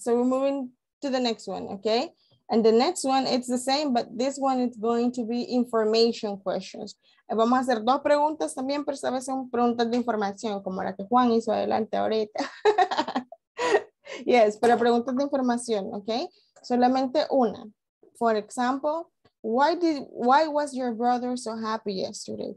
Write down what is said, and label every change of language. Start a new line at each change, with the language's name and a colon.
English: So we're moving to the next one, okay? And the next one, it's the same, but this one is going to be information questions.
Spanish: Vamos a hacer dos preguntas también, pero esta vez son preguntas de información, como la que Juan hizo adelante ahorita. Yes, pero preguntas de información, okay? Solamente una.
English: For example, why was your brother so happy yesterday?